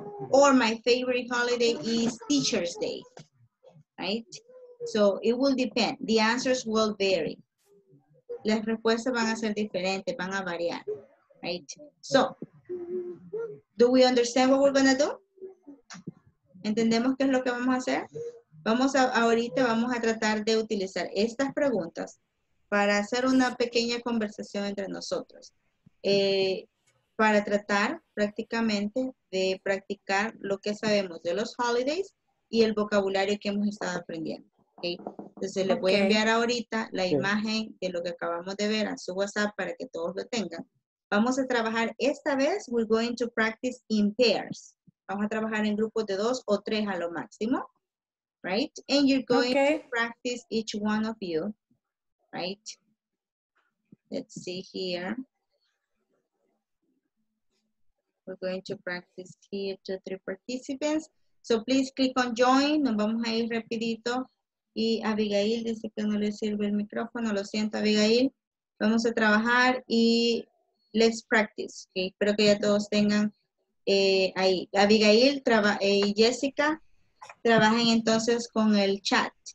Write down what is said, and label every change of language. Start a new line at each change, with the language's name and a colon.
English: Or my favorite holiday is Teacher's Day, right? So it will depend. The answers will vary.
Spanish: Las respuestas van a ser diferentes, van a variar,
English: right? So, do we understand what we're going to do?
Spanish: ¿Entendemos qué es lo que vamos a hacer? Vamos a, ahorita vamos a tratar de utilizar estas preguntas para hacer una pequeña conversación entre nosotros. Para tratar prácticamente de practicar lo que sabemos de los holidays y el vocabulario que hemos estado aprendiendo. ¿Okay? Entonces les voy a enviar ahorita la imagen de lo que acabamos de ver a su WhatsApp para que todos lo tengan. Vamos a trabajar esta vez,
English: we're going to practice in pairs.
Spanish: Vamos a trabajar en grupos de dos o tres a lo máximo.
English: Right? And you're going to practice each one of you, right? Let's see here. We're going to practice here to three participants. So please click on join.
Spanish: Nos vamos a ir rapidito. Y Abigail dice que no le sirve el micrófono. Lo siento, Abigail. Vamos a trabajar y
English: let's practice. Okay?
Spanish: Espero que ya todos tengan ahí. Abigail, Jessica. Trabajen entonces con el chat.